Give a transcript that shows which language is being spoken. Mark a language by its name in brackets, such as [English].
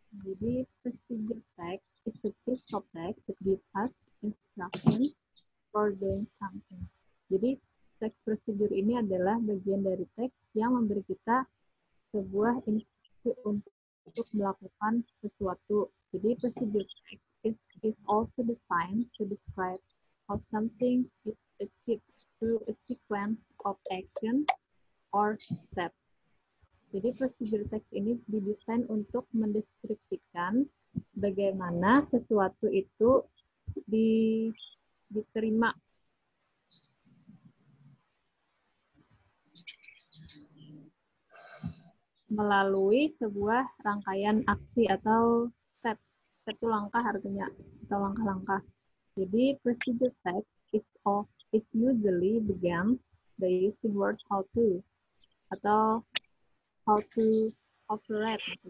[Indonesian] Jadi prosedur teks [English] is the piece of text that gives us instruction for doing something. [Indonesian] Jadi teks prosedur ini adalah bagian dari teks yang memberi kita sebuah instruksi untuk melakukan sesuatu. Jadi prosedur teks [English] is also designed to describe how something is achieved through a sequence of action or step. [Indonesian] Jadi prosedur teks ini didesain untuk mendeskripsikan bagaimana sesuatu itu diterima. Melalui sebuah rangkaian aksi atau step. Step itu langkah artinya, atau langkah-langkah. [English] Jadi, procedure text is usually began by using word how to, atau how to operate.